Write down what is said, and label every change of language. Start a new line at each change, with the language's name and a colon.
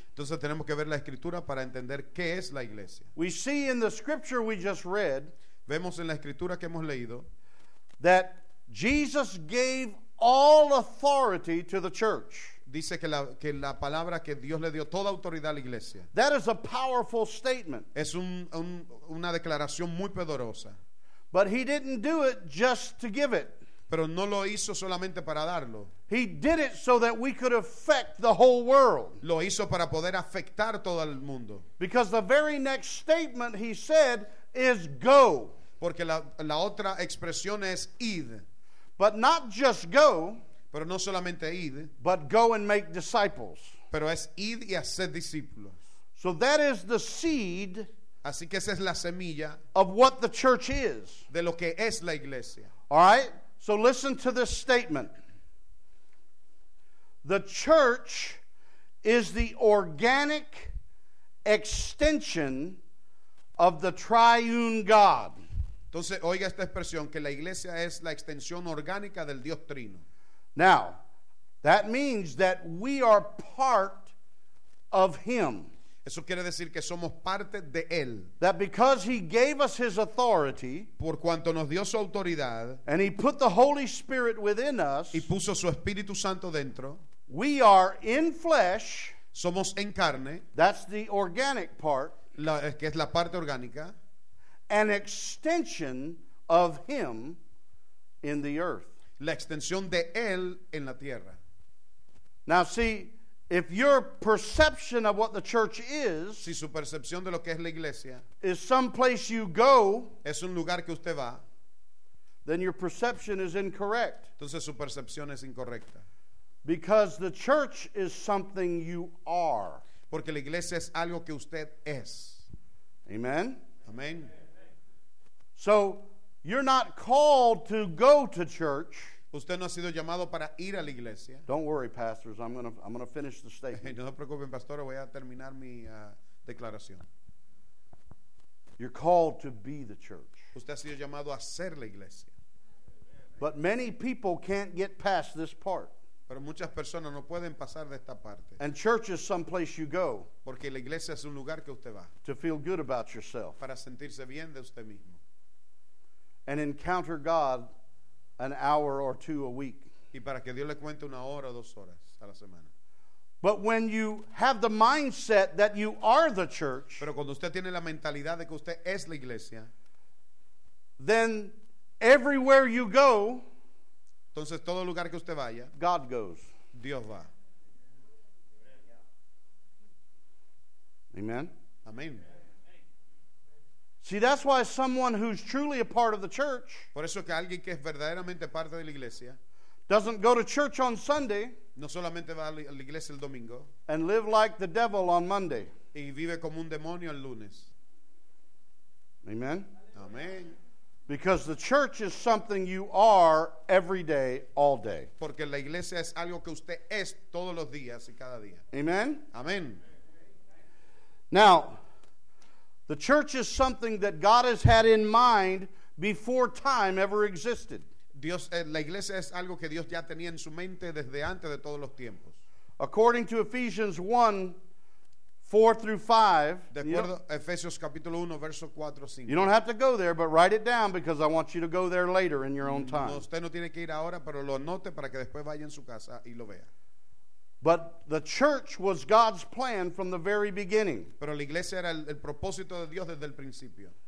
Spanish: Entonces tenemos que ver la escritura para entender qué es la iglesia.
English: We see in the scripture we just read,
Spanish: vemos en la escritura que hemos leído,
English: that Jesus gave all authority to the church.
Spanish: Dice que la palabra que Dios le dio toda autoridad a la iglesia.
English: That is a powerful statement.
Spanish: Es una declaración muy poderosa.
English: But he didn't do it just to give it.
Spanish: Pero no lo hizo solamente para darlo.
English: He did it so that we could affect the whole world.
Spanish: Lo hizo para poder afectar todo el mundo.
English: Because the very next statement he said is go.
Spanish: Porque la otra expresión es id.
English: But not just go,
Spanish: pero no solamente id,
English: but go and make disciples.
Spanish: Pero es id y hacer discípulos.
English: So that is the seed,
Spanish: así que esa es la semilla,
English: of what the church is,
Spanish: de lo que es la iglesia.
English: All right? So listen to this statement. The church is the organic extension of the triune God.
Spanish: Entonces, oiga esta expresión, que la iglesia es la extensión orgánica del Dios trino.
English: Now, that means that we are part of him.
Spanish: Eso quiere decir que somos parte de él.
English: That because he gave us his authority,
Spanish: por cuanto nos dio su autoridad,
English: and he put the Holy Spirit within us,
Spanish: y puso su Espíritu Santo dentro,
English: we are in flesh,
Spanish: somos en carne,
English: that's the organic part,
Spanish: que es la parte orgánica,
English: an extension of him in the earth.
Spanish: La extensión de él en la tierra.
English: Now see, if your perception of what the church is,
Spanish: si su percepción de lo que es la iglesia,
English: is some place you go,
Spanish: es un lugar que usted va,
English: then your perception is incorrect.
Spanish: Entonces su percepción es incorrecta.
English: Because the church is something you are.
Spanish: Porque la iglesia es algo que usted es.
English: Amen.
Spanish: Amen.
English: So, you're not called to go to church.
Spanish: Usted no ha sido llamado para ir a la iglesia.
English: Don't worry, pastors. I'm gonna finish the statement.
Spanish: No se preocupen, pastor. Voy a terminar mi declaración.
English: You're called to be the church.
Spanish: Usted ha sido llamado a ser la iglesia.
English: But many people can't get past this part.
Spanish: Pero muchas personas no pueden pasar de esta parte.
English: And church is some place you go.
Spanish: Porque la iglesia es un lugar que usted va.
English: To feel good about yourself.
Spanish: Para sentirse bien de usted mismo.
English: And encounter God an hour or two a week.
Spanish: Y para que Dios le cuente una hora o dos horas a la semana.
English: But when you have the mindset that you are the church,
Spanish: pero cuando usted tiene la mentalidad de que usted es la iglesia,
English: then everywhere you go,
Spanish: entonces todo lugar que usted vaya,
English: God goes.
Spanish: Dios va.
English: Amen.
Spanish: Amen.
English: See, that's why someone who's truly a part of the church,
Spanish: por eso que alguien que es verdaderamente parte de la iglesia,
English: doesn't go to church on Sunday,
Spanish: no solamente va a la iglesia el domingo,
English: and live like the devil on Monday,
Spanish: y vive como un demonio el lunes.
English: Amen.
Spanish: Amen.
English: Because the church is something you are every day, all day.
Spanish: Porque la iglesia es algo que usted es todos los días y cada día.
English: Amen.
Spanish: Amen.
English: Now, the church is something that God has had in mind before time ever existed.
Spanish: Dios, la iglesia es algo que Dios ya tenía en su mente desde antes de todos los tiempos.
English: According to Ephesians 1:4-5.
Spanish: De acuerdo, yep. Efesios capítulo 1, verso 4, 5.
English: You don't have to go there, but write it down because I want you to go there later in your own time.
Spanish: No, usted no tiene que ir ahora, pero lo anote para que después vaya en su casa y lo vea.
English: But the church was God's plan from the very beginning.
Spanish: Pero la iglesia era el propósito de Dios desde el principio.